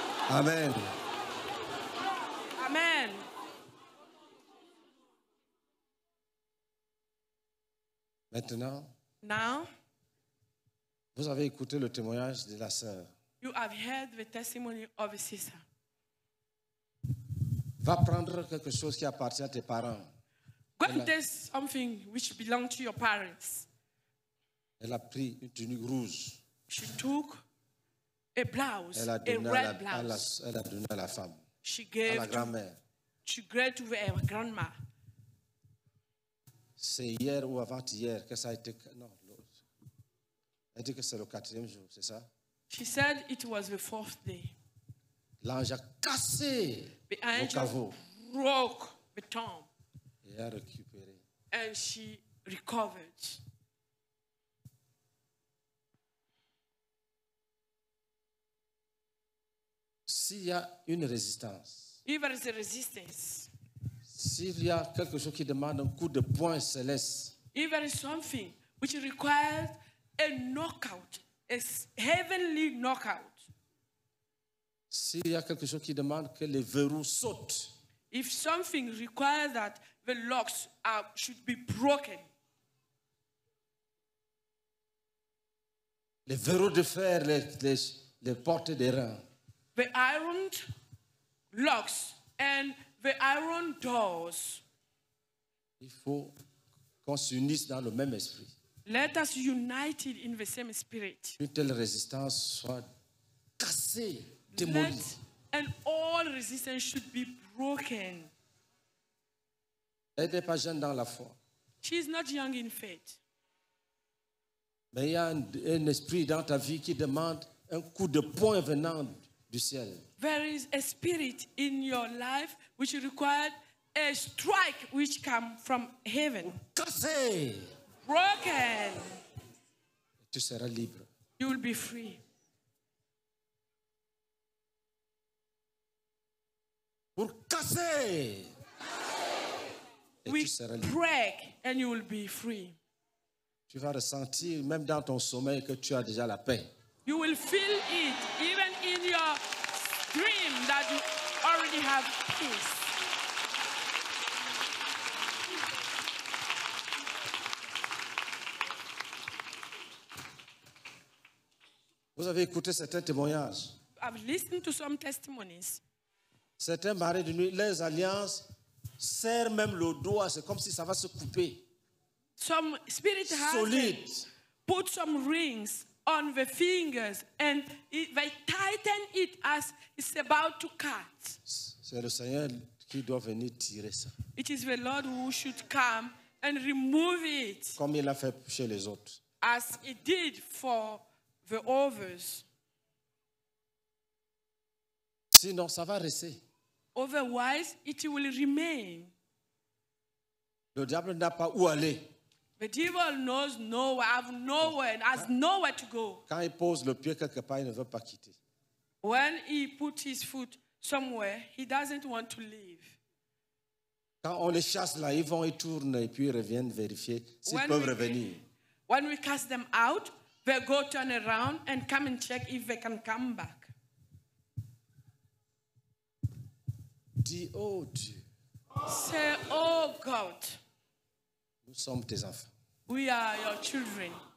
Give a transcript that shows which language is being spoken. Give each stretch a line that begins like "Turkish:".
French: Amen.
English: Amen.
French: Maintenant,
English: now,
French: vous avez écouté le témoignage de la sœur.
English: You have heard the testimony of a sister.
French: Va prendre quelque chose qui appartient à tes parents.
English: Go and take something which belongs to your parents.
French: Elle a pris une tenue rouge.
English: She took a blouse,
French: elle a donné
English: a red
French: à la,
English: blouse.
French: À la, elle a donné à la femme.
English: She gave
French: à la grand-mère.
English: She gave to her grandma.
French: C'est hier ou avant-hier que ça a été. Non, elle dit que c'est le quatrième jour, c'est ça?
English: She said it was the fourth day.
French: L'ange a cassé le caveau.
English: Broke the tomb.
French: Et a récupéré.
English: And she recovered.
French: S'il y a une résistance,
English: if there is a resistance,
French: s'il y a quelque chose qui demande un coup de poing céleste,
English: if there is something which requires a knockout, a heavenly knockout,
French: s'il y a quelque chose qui demande que les verrous sautent,
English: if something requires that the locks are, should be broken,
French: les verrous de fer, les portes des reins,
English: the iron locks and the iron doors.
French: Il faut qu'on s'unisse dans le même esprit.
English: Let us unite in the same spirit.
French: Une telle résistance soit cassée, démolie.
English: Let and all resistance should be broken.
French: Elle n'est pas jeune dans la foi.
English: She is not young in faith.
French: Mais il y a un esprit dans ta vie qui demande un coup de poing venant du ciel.
English: There is a spirit in your life which requires a strike which comes from heaven.
French: Cassé.
English: Broken.
French: Tu seras libre.
English: You will be free.
French: Pour casser.
English: We break
French: libre.
English: And you will be free.
French: Tu vas ressentir même dans ton sommeil que tu as déjà la paix.
English: You will feel it even in your dream that you already have peace.
French: Vous avez écouté certains témoignages.
English: I've listened to some testimonies.
French: Certains mariés de nuit, leurs alliances serrent même le doigt, c'est comme si ça va se couper.
English: Some spirit has put some rings on the fingers and they tighten it as it's about to cut.
French: C'est le Seigneur qui doit venir tirer ça.
English: It is the Lord who should come and remove it.
French: Comme il a fait chez les autres.
English: As it did for the others.
French: Sinon, ça va rester.
English: Otherwise, it will remain.
French: Le diable n'a pas où aller.
English: The devil knows nowhere, have nowhere, has nowhere to go.
French: Quand il pose le pied quelque part, il ne veut pas quitter.
English: When he put his foot somewhere, he doesn't want to leave.
French: Quand on les chasse là, ils vont, ils tournent et puis ils reviennent vérifier s'ils peuvent revenir.
English: When we cast them out, they go turn around and come and check if they can come back.
French: Dis, oh Dieu.
English: Say, oh God.
French: Nous sommes tes enfants.
English: We are your children.